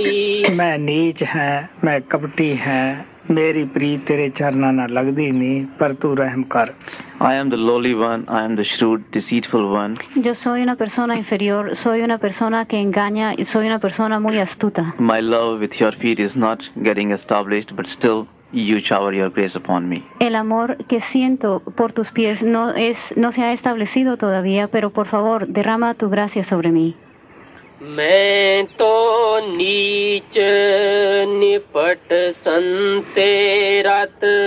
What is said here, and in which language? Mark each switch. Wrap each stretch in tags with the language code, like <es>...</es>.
<pa>मैं नीच है मैं कपटी है ਮੇਰੀ ਪ੍ਰੀਤ ਤੇਰੇ ਚਰਨਾਂ ਨਾਲ ਲੱਗਦੀ ਨਹੀਂ ਪਰ ਤੂੰ ਰਹਿਮ ਕਰ</pa> <en>I am the lowly one I am the shrewd deceitful one</en> <es>Yo soy una persona inferior soy una persona que engaña soy una persona muy astuta</es> <en>My love with your feet is not getting established but still you shower your grace upon me</en> <es>El amor que siento por tus pies no se ha establecido todavía pero por favor derrama tu gracia sobre mí</es> <hi>मैं तो नीच निपट संसेरत</hi>